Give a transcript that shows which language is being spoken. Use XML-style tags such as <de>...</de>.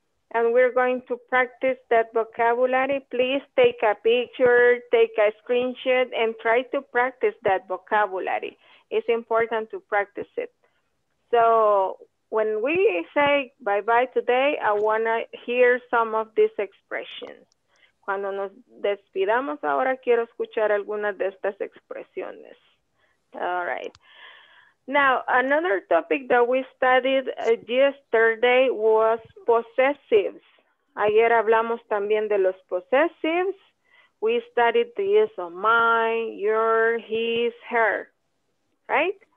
<en>And we're going to practice that vocabulary. Please take a picture, take a screenshot, and try to practice that vocabulary. It's important to practice it. So when we say bye-bye today, I want to hear some of these expressions.</en> <es>Cuando nos despidamos ahora, quiero escuchar algunas de estas expresiones.</es> <en>All right. Now, another topic that we studied yesterday was possessives.</en> <es>Ayer hablamos también de los possessives.</es> <en>We studied the use of mine, your, his, her, right?</en>